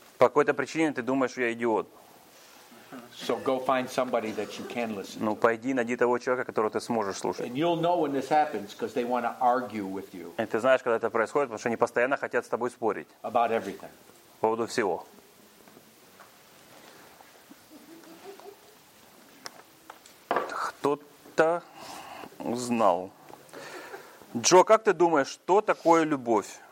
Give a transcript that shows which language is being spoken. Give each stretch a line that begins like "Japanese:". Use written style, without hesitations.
Russian: По какой-то причине ты думаешь, что я идиот.
English: So go find somebody that you can listen to.
Russian: Ну, пойди, найди того человека, которого ты сможешь слушать.
English: And you'll know when this happens because they want to argue with you.
Russian: И ты знаешь, когда это происходит, потому что они постоянно хотят с тобой спорить.
English: About everything.
Russian: По поводу всего. Кто-то узнал. Джо, как ты думаешь, что такое любовь?